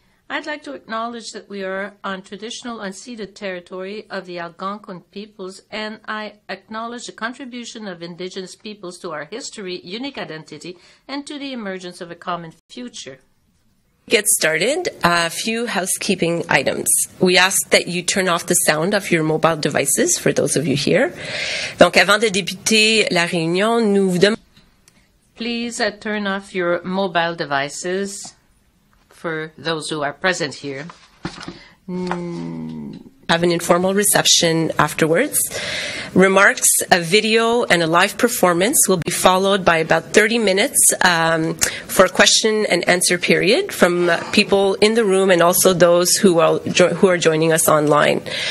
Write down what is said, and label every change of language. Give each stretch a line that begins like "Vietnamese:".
English: I'd like to acknowledge that we are on traditional unceded territory of the Algonquin peoples, and I acknowledge the contribution of Indigenous peoples to our history, unique identity, and to the emergence of a common future. Get started. A few housekeeping items. We ask that you turn off the sound of your mobile devices for those of you here.
French: Donc, avant de débuter la réunion, nous vous demandons.
English: Please turn off your mobile devices for those who are present here. Have an informal reception afterwards. Remarks, a video, and a live performance will be followed by about 30 minutes for a question and answer period from people in the room and also those who are joining us online.